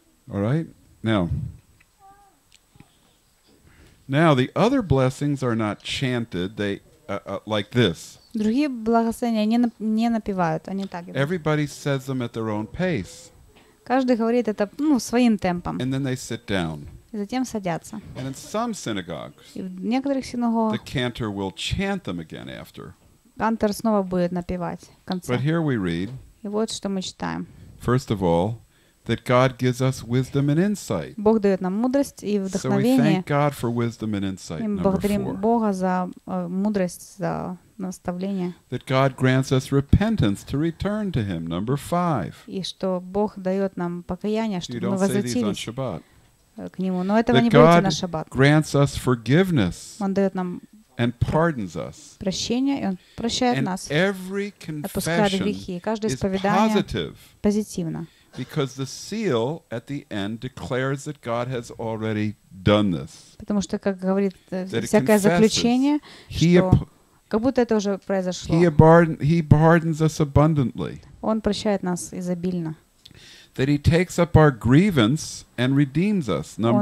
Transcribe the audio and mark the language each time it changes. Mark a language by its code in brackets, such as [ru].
[en] All right, now the other blessings are not chanted. They like this. [ru] Другие благословения не напевают, они так. [en] Everybody says them at their own pace. [ru] Каждый говорит это, ну, своим темпом. [en] And then they sit down. [ru] И затем садятся. [en] And in some synagogues, [ru] и в некоторых синагогах [en] the cantor will chant them again after. [ru] Кантор снова будет напевать в конце. [en] But here we read, [ru] и вот что мы читаем. [en] First of all, that God gives us wisdom and insight. [ru] Бог дает нам мудрость и вдохновение. [en] So we thank God for wisdom and insight, number 4. [ru] И благодарим Бога за мудрость, за наставление. [en] That God grants us repentance to return to Him, number 5. [ru] И что Бог дает нам покаяние, чтобы мы возвратились к Нему. Но этого [en] that [ru] не будет на Шаббат. [en] God grants us forgiveness. [ru] Он дает нам [en] and pardons us. [ru] Прощение, и Он прощает [en] and [ru] нас. [en] And every confession [ru] грехи, [en] is positive. [ru] Позитивно. [en] Because the seal at the end declares that God has already done this. [ru] Потому что, как говорит всякое заключение, что как будто это уже произошло. [en] He pardons us abundantly. [ru] Он прощает нас изобильно. [en] That He takes up our grievance and redeems us.